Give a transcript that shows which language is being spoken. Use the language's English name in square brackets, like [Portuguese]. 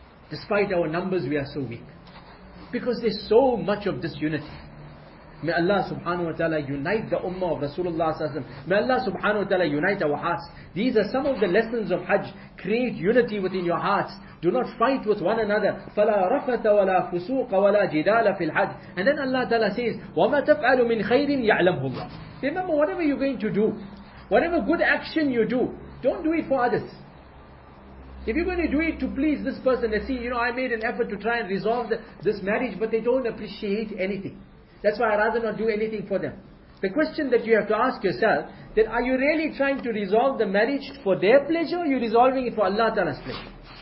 [English] Despite our numbers, we are so weak. Because there's so much of disunity. May Allah subhanahu wa ta'ala unite the ummah of Rasulullah sallallahu alayhi wa sallam. May Allah subhanahu wa ta'ala unite our hearts. These are some of the lessons of Hajj. Create unity within your hearts. Do not fight with one another. [Arabic] فَلَا رَفَثَ وَلَا فُسُوقَ وَلَا جِدَالَ فِي الْحَجِّ. [English] And then Allah ta'ala says, [Arabic] وَمَا تَفْعَلُ مِنْ خَيْرٍ يَعْلَمْهُ اللَّهُ. [English] Remember, whatever you're going to do, whatever good action you do, don't do it for others. If you're going to do it to please this person, they see, you know, I made an effort to try and resolve this marriage, but they don't appreciate anything. That's why I'd rather not do anything for them. The question that you have to ask yourself, that are you really trying to resolve the marriage for their pleasure, or are you resolving it for Allah Ta'ala's pleasure?